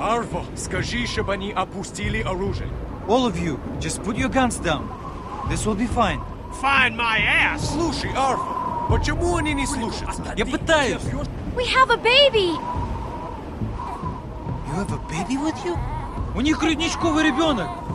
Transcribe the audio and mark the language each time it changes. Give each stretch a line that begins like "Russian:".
Russian: Арво, скажи, чтобы они опустили оружие.
English: All of you, just put your guns down. This will be fine. Find my ass!
Russian: Слушай, Арво, почему они не слушаются? Я пытаюсь.
English: We have a baby! You have a baby with you?
Russian: У них родничковый ребенок!